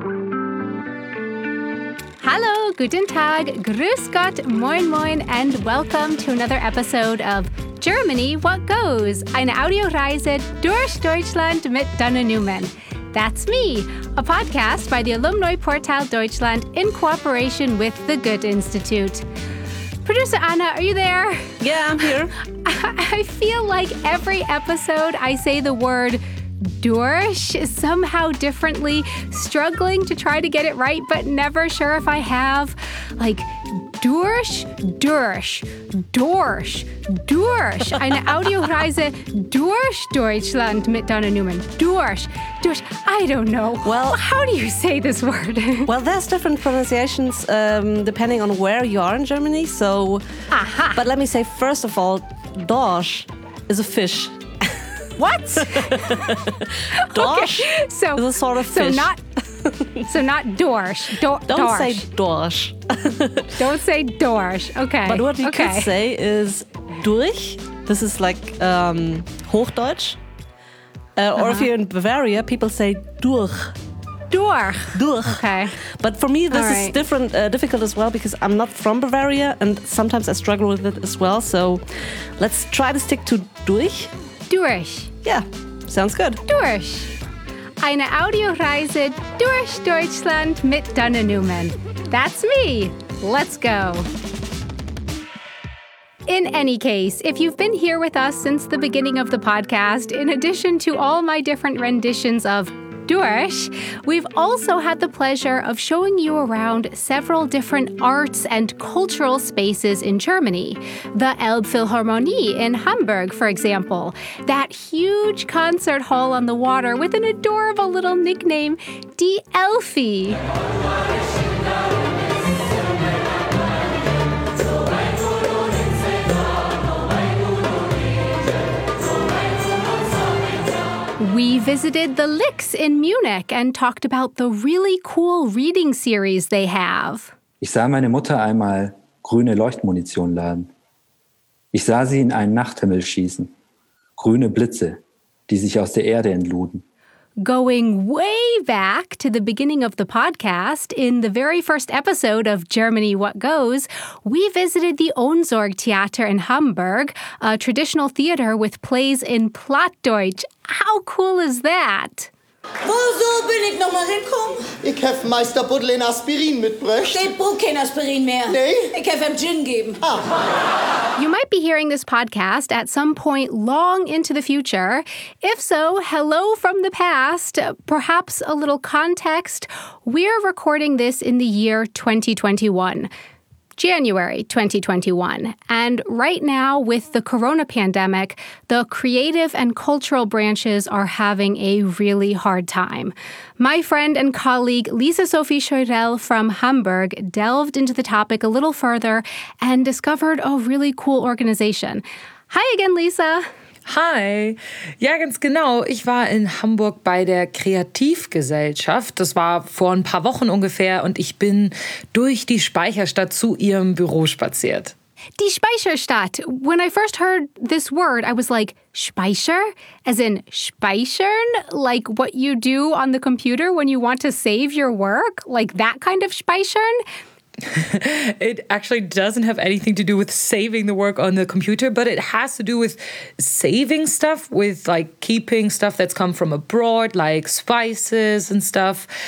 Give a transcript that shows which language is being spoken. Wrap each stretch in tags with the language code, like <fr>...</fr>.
<de>Hallo, guten Tag, grüß Gott, moin moin,</de> <en>and welcome to another episode of Germany What Goes,</en> <de>eine Audioreise durch Deutschland mit Dana Neumann.</de> <en>That's me, a podcast by the Alumni Portal Deutschland in cooperation with the Goethe Institute. Producer Anna, are you there? Yeah, I'm here. I feel like every episode I say the word Dorsch somehow differently, struggling to try to get it right, but never sure if I have. Like,</en> <de>Dorsch, Dorsch, Dorsch, Dorsch, eine Audioreise durch Deutschland mit Dana Neumann.</de> <en>Dorsch, Dorsch, I don't know. Well, how do you say this word? Well, there's different pronunciations depending on where you are in Germany, so. Aha. But let me say, first of all, Dorsch is a fish. What? Dorsch, okay. So, is a sort of fish. So not Dorsch. Don't say Dorsch. Don't say Dorsch. Okay. But what you could say is Durch. This is like Hochdeutsch. Or if you're in Bavaria, people say Durch.</en> <de>Durch. Durch.</de> <en>Okay. But for me, this is different, difficult as well, because I'm not from Bavaria and sometimes I struggle with it as well. So let's try to stick to Durch.</en> <de>Durch.</de> <en>Yeah, sounds good.</en> <de>Durch. Eine Audioreise durch Deutschland mit Dana Neumann.</de> <en>That's me. Let's go. In any case, if you've been here with us since the beginning of the podcast, in addition to all my different renditions of Durch, we've also had the pleasure of showing you around several different arts and cultural spaces in Germany. The Elbphilharmonie in Hamburg, for example. That huge concert hall on the water with an adorable little nickname, Die Elfi. We visited the Lix in Munich and talked about the really cool reading series they have.</en> <de>Ich sah meine Mutter einmal grüne Leuchtmunition laden. Ich sah sie in einen Nachthimmel schießen. Grüne Blitze, die sich aus der Erde entluden.</de> <en>Going way back to the beginning of the podcast, in the very first episode of Germany What Goes, we visited the Ohnsorg Theater in Hamburg, a traditional theater with plays in Plattdeutsch. How cool is that?</en> <de>Wo so bin ich nochmal hinkommen? Ich habe Meister Buddel in Aspirin mitbrecht. Ich brauche kein Aspirin mehr. Nee? Ich habe ihm Gin geben. Ah.</de> <en>You might be hearing this podcast at some point long into the future. If so, hello from the past. Perhaps a little context. We're recording this in the year 2021. January 2021. And right now, with the corona pandemic, the creative and cultural branches are having a really hard time. My friend and colleague Lisa Sophie Scheurell from Hamburg delved into the topic a little further and discovered a really cool organization. Hi again, Lisa.</en> <de>Hi. Ja, ganz genau. Ich war in Hamburg bei der Kreativgesellschaft. Das war vor ein paar Wochen ungefähr und ich bin durch die Speicherstadt zu ihrem Büro spaziert. Die Speicherstadt.</de> <en>When I first heard this word, I was like, Speicher? As in speichern? Like what you do on the computer when you want to save your work? Like that kind of speichern? It actually doesn't have anything to do with saving the work on the computer, but it has to do with saving stuff, with like keeping stuff that's come from abroad, like spices and stuff.</en>